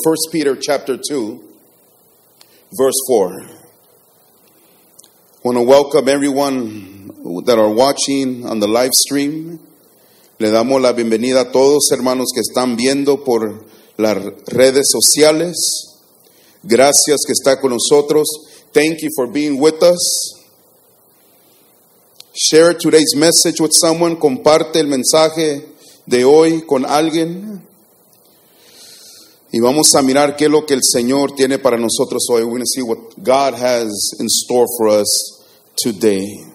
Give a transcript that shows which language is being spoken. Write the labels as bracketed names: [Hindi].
[English] 1 Peter, chapter 2, verse 4. I want to welcome everyone that are watching on the live stream. [Spanish] Le damos la bienvenida a todos, hermanos, que están viendo por las redes sociales. Gracias que está con nosotros. [English] Thank you for being with us. Share today's message with someone. [Spanish] Comparte el mensaje de hoy con alguien. Y vamos a mirar qué es lo que el Señor tiene para nosotros hoy. [English] We're going to see what God has in store for us today.